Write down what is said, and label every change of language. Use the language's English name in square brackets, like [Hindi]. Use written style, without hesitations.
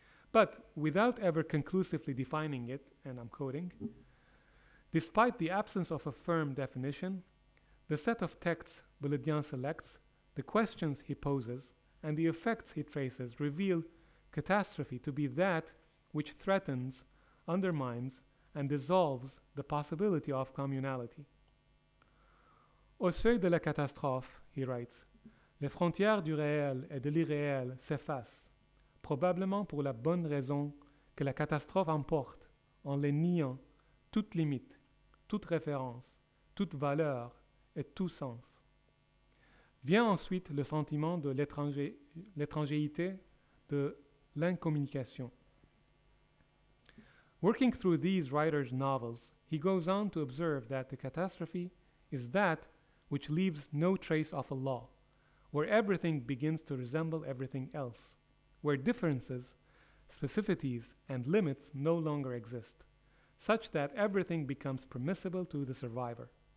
[English] But without ever conclusively defining it, and I'm quoting, despite the absence of a firm definition, the set of texts Beledian selects, the questions he poses, and the effects he traces reveal catastrophe to be that which threatens, undermines, and dissolves the possibility of communality. [French] Au seuil de la catastrophe, [English] he writes, [French] les frontières du réel et de l'irréel s'effacent, probablement pour la bonne raison que la catastrophe emporte, en les niant, toute limite, toute référence, toute valeur et tout sens. Vient ensuite le sentiment de l'étrangéité, de l'incommunication. [English] Working through these writers' novels, he goes on to observe that the catastrophe is that which leaves no trace of a law, where everything begins to resemble everything else, where differences, specificities, and limits no longer exist, such that everything becomes permissible to the survivor.